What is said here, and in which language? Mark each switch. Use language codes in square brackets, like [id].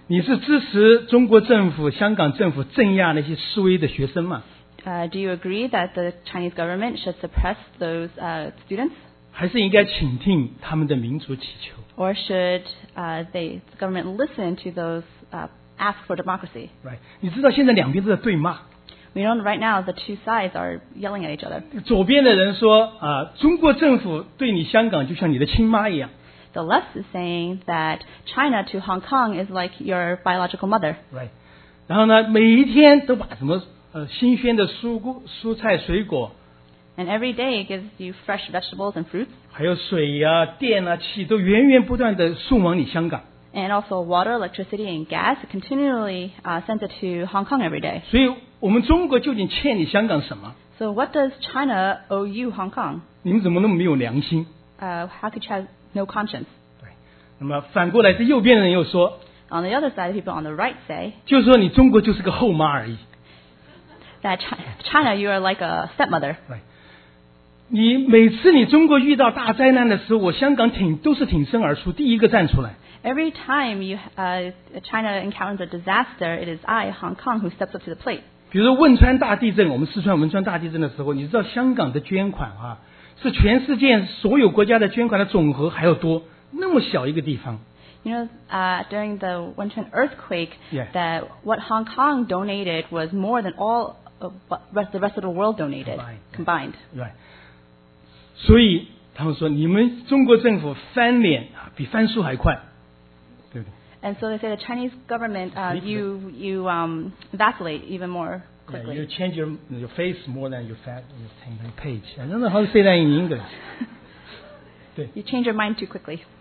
[zh] 你是支持中国政府、香港政府镇压那些示威的学生吗？ [en] Do you agree that the Chinese government should suppress those students? [zh] 还是应该倾听他们的民主祈求？ [en] Or should the government listen to those ask for democracy? Right. [zh] 你知道现在两边都在对骂。 [en] We know right now the two sides are yelling at each other. [zh] 左边的人说啊，中国政府对你香港就像你的亲妈一样。 [en] The left is saying that China to Hong Kong is like your biological mother. Right. [zh] 然后呢，每一天都把什么新鲜的蔬菜水果。 [en] And every day it gives you fresh vegetables and fruits. [zh] 还有水啊、电啊、气都源源不断的送往你香港。 [en] And also water, electricity, and gas continually sent it to Hong Kong every day. [zh] 所以我们中国究竟欠你香港什么？ [en] So what does China owe you, Hong Kong? [zh] 你们怎么那么没有良心？ [en] How could you have no conscience? [zh] 对，那么反过来，这右边人又说， [en] On the other side, people on the right say, [zh] 就是说你中国就是个后妈而已。 [en] That China, you are like a stepmother. Right. [zh] 你每次你中国遇到大灾难的时候，我香港都是挺身而出，第一个站出来。 [en] Every time you, China encounters a disaster, it is I, Hong Kong, who steps up to the plate. [zh] 比如说汶川大地震，我们四川汶川大地震的时候，你知道香港的捐款啊，是全世界所有国家的捐款的总和还要多，那么小一个地方。 [en] You know, during the Wenchuan earthquake,、 yeah. that what Hong Kong donated was more than all the rest of the world donated combined. Right. [zh] 所以他们说，你们中国政府翻脸比翻书还快。 [en] And so they say the Chinese government, you vacillate even more quickly. Yeah, you change your face more than your page. I don't know how to say that in English. You change your mind too quickly.